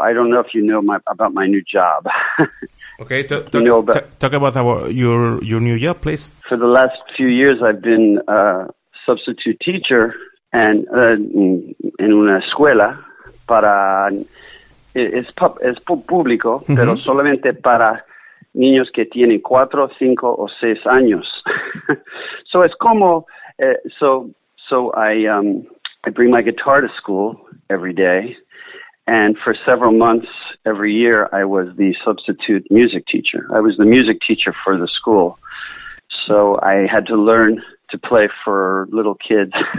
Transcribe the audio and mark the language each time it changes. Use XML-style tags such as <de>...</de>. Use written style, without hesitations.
<en>I don't know if you know about my new job. Okay, talk about your new job, please. For the last few years, I've been a substitute teacher and in</en> <es>una escuela para... Es público, pero solamente para niños que tienen 4, 5,</es> <en>or</en> <es>6 años.</es> <en>So it's como, I bring my guitar to school every day, and for several months every year I was the substitute music teacher. I was the music teacher for the school, so I had to learn to play for little kids.</en>